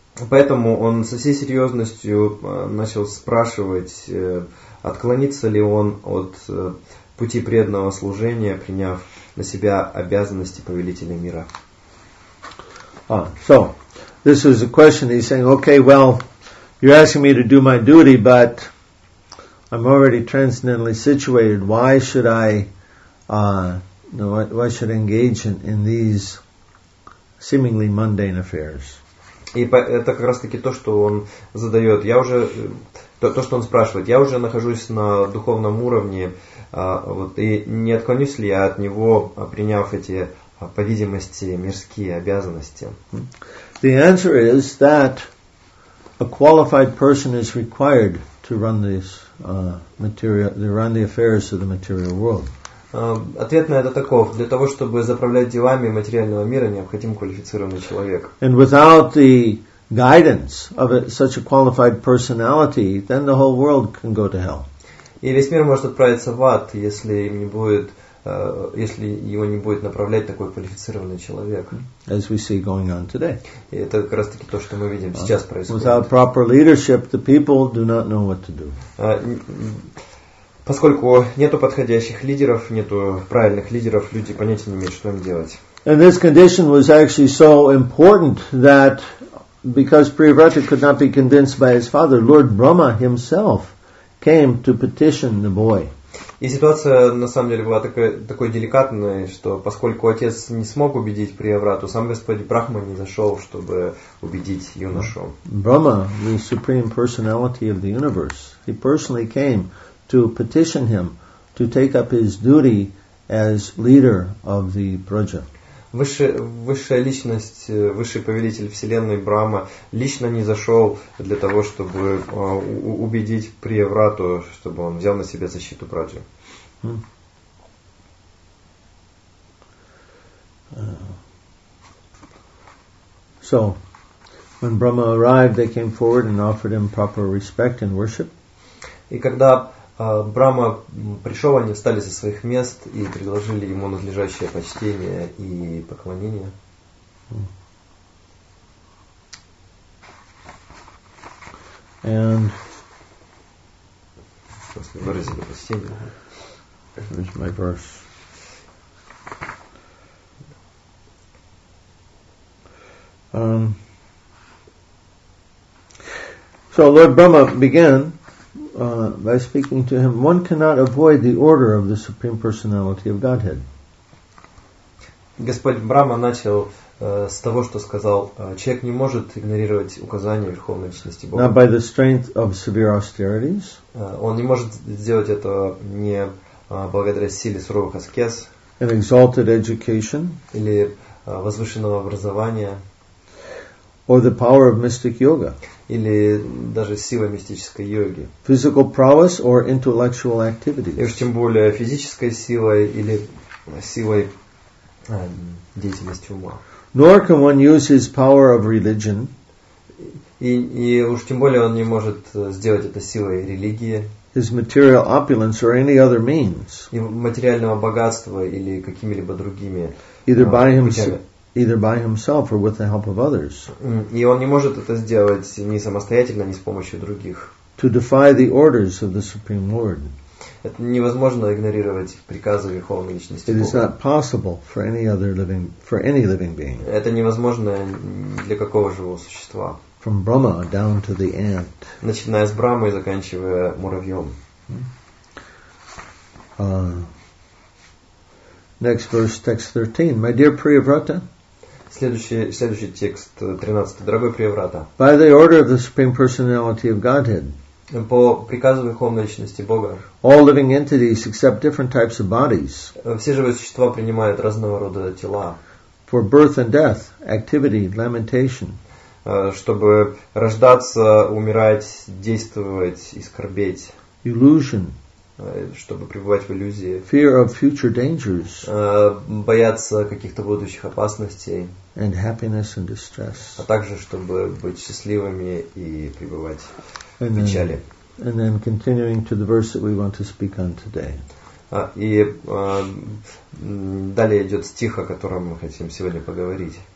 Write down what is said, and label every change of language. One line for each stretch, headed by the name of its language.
Russian: Поэтому он со всей серьезностью начал спрашивать, отклонится ли он от пути преданного служения, приняв на себя обязанности повелителя мира.
English: So, this is a question that he's saying, okay, well, you're asking me to do my duty, but I'm already transcendentally situated. Why should I... why should I engage in these seemingly mundane affairs?
Russian: И это как раз таки то, что он задает. Я уже то, что он спрашивает. Я уже нахожусь на духовном уровне, вот, и не отклонюсь ли я от него, приняв эти, по видимости, мирские обязанности?
English: The answer is that a qualified person is required to run these run the affairs of the material world.
Russian: Ответ на это таков. Для того, чтобы заправлять делами материального мира, необходим квалифицированный человек.
English: And without the guidance of such a qualified personality, then the whole world can go to hell.
Russian: И весь мир может отправиться в ад, если его не будет направлять такой квалифицированный человек.
English: As we see going on today.
Russian: И это как раз таки то, что мы видим сейчас происходит.
English: Without proper leadership, the people do not know what to do.
Russian: Поскольку нету подходящих лидеров, нету правильных лидеров, люди понятия не имеют, что им делать.
English: And this condition was actually so important that because Priyavrata could not be convinced by his father, Lord Brahma himself came to petition the boy.
Russian: И ситуация на самом деле была такой деликатной, что поскольку отец не смог убедить Прияврату, сам Господь Брахма не зашел, чтобы убедить юношу.
English: Brahma, the supreme personality of the universe, he personally came to petition him to take up his duty as leader of the praja.
Russian: Высшая личность, высший повелитель вселенной Брахма лично не зашел для того, чтобы убедить Прияврату, чтобы он взял на себя защиту праджи.
English: So, when Brahma arrived, they came forward and offered him proper respect and worship.
Russian: И когда Брахма пришел, они встали со своих мест и предложили ему надлежащее почтение и поклонение.
English: And
Russian: просто выразили почтение.
English: Where's my verse? So Lord Brahma began by speaking to him, one cannot avoid the order of the Supreme Personality of Godhead.
Russian: Господь Брахма начал с того, что сказал, человек не может игнорировать указания Верховной Личности Бога.
English: Not by the strength of severe austerities.
Russian: Он не может сделать это не благодаря силе суровых аскез.
English: An exalted education.
Russian: Или возвышенного образования.
English: Or the power of mystic yoga.
Russian: Или даже силой мистической йоги.
English: Physical prowess or intellectual activities.
Russian: И уж тем более физической силой или силой деятельности ума.
English: Nor can one use his power of religion.
Russian: И уж тем более он не может сделать это силой религии.
English: His material opulence or any other means.
Russian: И материального богатства или какими-либо другими путями.
English: Either by himself or with the help of others.
Russian: И он не может это сделать ни самостоятельно, ни с помощью других.
English: To defy the orders of the Supreme Lord.
Russian: Это невозможно игнорировать приказы Верховной Личности Бога.
English: It is not possible for any other living, for any living being.
Russian: Это невозможно для какого живого существа.
English: From Brahma down to the ant.
Russian: Начиная с Брахмы и заканчивая муравьем.
English: Next verse, text 13. My dear Priyavrata.
Russian: Следующий текст, 13. Дорогой Прияврата.
English: By the order of the Supreme Personality of Godhead.
Russian: По приказу Верховной Личности Бога.
English: All living entities accept different types of bodies.
Russian: Все живые существа принимают разного рода тела.
English: For birth and death, activity, lamentation.
Russian: Чтобы рождаться, умирать, действовать и скорбеть.
English: Illusion.
Russian: Чтобы пребывать в иллюзии.
English: Fear of future dangers.
Russian: Бояться каких-то будущих опасностей.
English: And happiness and distress.
Russian: А также, чтобы быть счастливыми и пребывать в печали.
English: And then continuing to the verse that we want to speak on today.
Russian: И далее идет стих, о котором мы хотим сегодня поговорить.